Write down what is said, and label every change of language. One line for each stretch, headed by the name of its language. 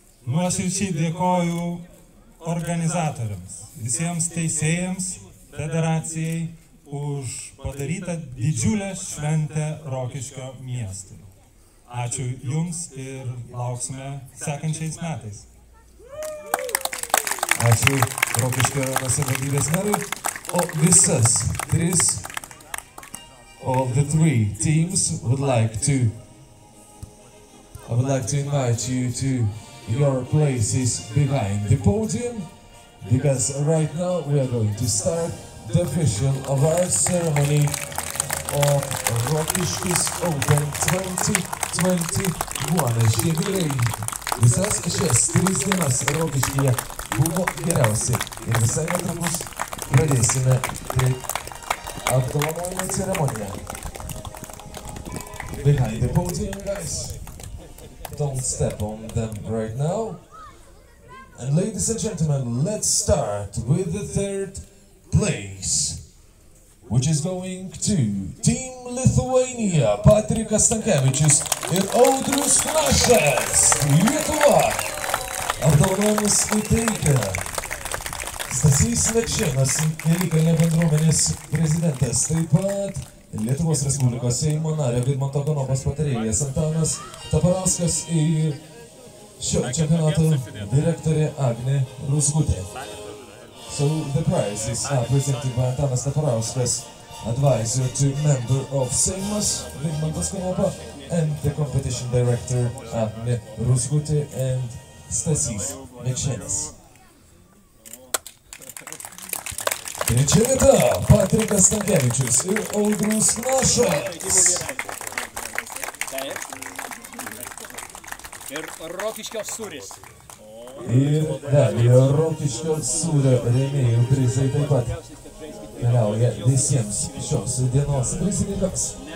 Lithuanian: Nuoširdžiai dėkoju organizatoriams, visiems teisėjams, federacijai, už padarytą didžiulę šventę Rokiškio miestui. Ačiū Jums ir lauksime sekančiais metais. Ačiū Rokiškio rajono savivaldybės merui. O visas tris
English: of the three teams would like to invite you to your places behind the podium, because right now we are going to start the official of our ceremony of Rokiškis Open 2021.
Lithuanian: Šie vyrai visas šias tris dienas Rokiškyje buvo geriausi. Ir visai netrukus pradėsime apdovanojimo ceremoniją.
English: Behind the podium, guys. Don't step on them right now. And ladies and gentlemen, let's start with the third place, which is going to Team Lithuania, Patrikas Stankevičius
Lithuanian: ir
English: Audrius Našas, Lietuva.
Lithuanian: Apdovanojimus įteikia Stasys Mekšėnas, Velykalnio bendruomenės prezidentas, taip pat Lietuvos Respublikos Seimo nario Vidmanto Kanopos patarėjas Antanas Taparauskas ir šio čempionato direktorė Agnė Rusgutė.
English: So the prize is now presented by Antanas Taparauskas, advisor to member of Seimas, Vidmantas Kanopa, and the competition director, Agnė Rusgutė, and Stasys Mekšėnas.
Lithuanian: Trečia vieta, Patrikas Stankevičius ir Audrius Našas. Ir Rokiškio sūris. Ir galėjo Rokiškio sūrio rėmėjų prizai taip pat keliauja visiems šios dienos prizininkams.